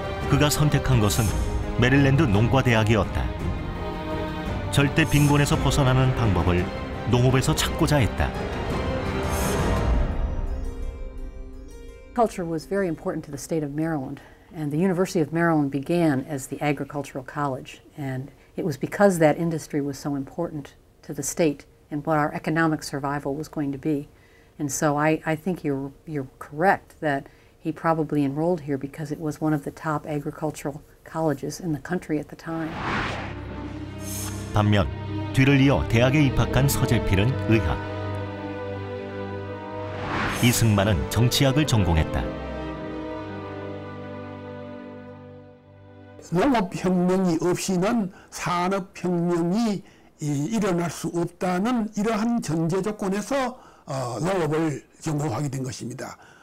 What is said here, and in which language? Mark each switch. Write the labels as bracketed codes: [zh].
[ko] 그가 선택한 것은 메릴랜드 농과대학이었다. 절대 빈곤에서 벗어나는 방법을 농업에서 찾고자 했다. [en] Culture was very important to the state of Maryland, and the University of Maryland began as the agricultural college, and it was because that industry was so important to the state and what our economic survival was going to be. And so I think you're correct that he probably enrolled here because it was one of the top agricultural colleges in the country at the time. [ko] 반면 뒤를 이어 대학에 입학한 서재필은 의학, 이승만은 정치학을 전공했다. 농업혁명이 없이는 산업혁명이 일어날 수 없다는 이러한 전제 조건에서 농업을 전공하게 된 것입니다.